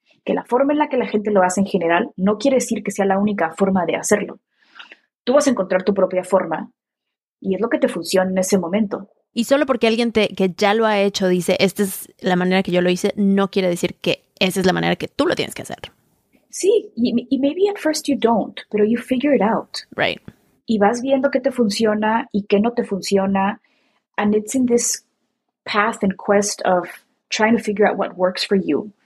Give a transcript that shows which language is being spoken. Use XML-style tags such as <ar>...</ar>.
<es>Que la forma en la que la gente lo hace en general no quiere decir que sea la única forma de hacerlo. Tú vas a encontrar tu propia forma y es lo que te funciona en ese momento. Y solo porque alguien que ya lo ha hecho dice, esta es la manera que yo lo hice, no quiere decir que esa es la manera que tú lo tienes que hacer. Sí, y</es> <en>maybe at first you don't,</en> <es>pero</es> <en>you figure it out. Right.</en> <es>Y vas viendo qué te funciona y qué no te funciona.</es> <en>And it's in this path and quest of trying to figure out what works for you.</en>